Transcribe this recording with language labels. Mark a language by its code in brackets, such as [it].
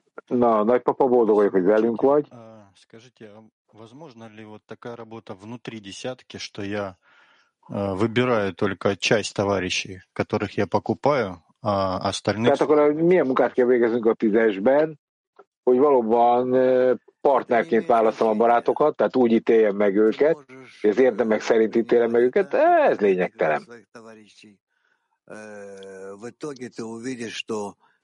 [hu] Na, nagypapa, boldog vagyok, hogy velünk vagy. [ru] Скажите, возможно ли вот такая работа внутри десятки, что я выбираю только часть товарищей, которых я покупаю, а остальных... [hu] Tehát akkor milyen munkát kell végeznünk a tízesben, hogy valóban partnerként választom a barátokat, tehát úgy ítéljem meg őket, és érdemek szerint ítélem meg őket, ez lényegtelen. [ru] В итоге ты увидишь, что...